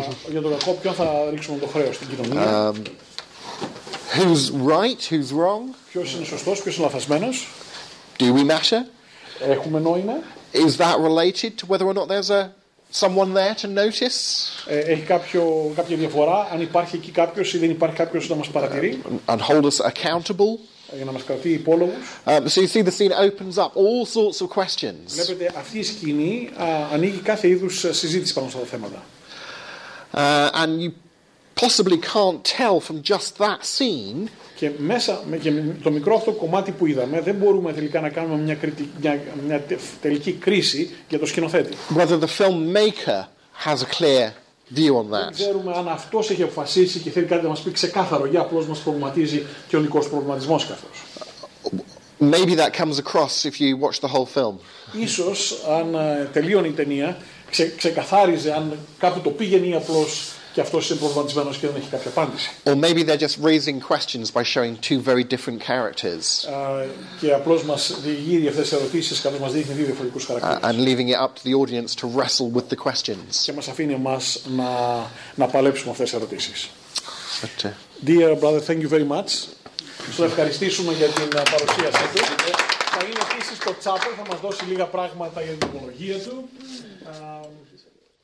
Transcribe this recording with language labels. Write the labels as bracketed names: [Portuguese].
[Greek] Για τον κακό, ποιον θα ρίξουμε το χρέος στην κοινωνία? [English] Who's right, who's wrong? [Greek] Ποιος είναι σωστός, ποιος είναι λαθασμένος? [English] Do we matter? [Greek] Έχουμε νόημα? [English] Is that related to whether or not there's someone there to notice? [Greek] Έχει κάποια διαφορά, αν υπάρχει εκεί κάποιος ή δεν υπάρχει κάποιος να μας παρατηρεί? [English] And hold us accountable? [Greek] Για να μας κρατεί υπόλογους. [English] So you see the scene opens up all sorts of questions. [Greek] Βλέπετε, αυτή η σκηνή ανοίγει κάθε είδους συζήτηση πάνω στα θέματα. [English] And you possibly can't tell from just that scene. [Greek] Και μέσα και το μικρό αυτό κομμάτι που είδαμε, δεν μπορούμε τελικά να κάνουμε μια τελική κρίση για το σκηνοθέτη. [English] Whether the filmmaker has a clear view on that. [Greek] Δεν ξέρουμε αν αυτός έχει αποφασίσει και θέλει κάτι να μας πει ξεκάθαρο, για απλώς μας προβληματίζει και ο λικός προβληματισμός καθώς. [English] Maybe that comes across if you watch the whole film. [Greek] Ίσως αν τελείωνε η ταινία. Ξεκαθάριζε αν κάπου το πήγαινε ή απλώς και αυτός είναι προβληματισμένος και δεν έχει κάποια απάντηση. [English] Or maybe they're just raising questions by showing two very different characters. [Greek] Και απλώς μας διηγεί αυτές τις ερωτήσεις, καθώς μας δείχνει δύο διαφορετικούς χαρακτήρες. [English] And leaving it up to the audience to wrestle with the questions. [Greek] Και μας αφήνει εμάς να παλέψουμε αυτές τις ερωτήσεις. [English] Dear brother, thank you very much. [Greek] Σας ευχαριστήσουμε για την παρουσίασή του. Θα είναι επίσης το τσάπο, θα μας δώσει λίγα πράγματα για την τυπολογία του. [English] Thank you.